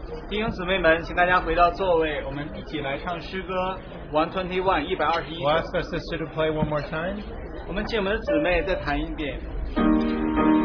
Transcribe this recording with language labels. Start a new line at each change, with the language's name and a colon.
Chinese: 弟兄姊妹们，请大家回到座位，我们一起来唱诗歌 121, 121首。
English: We'll ask our sister to play one more time.
Chinese: 我们请我们的姊妹再弹一遍。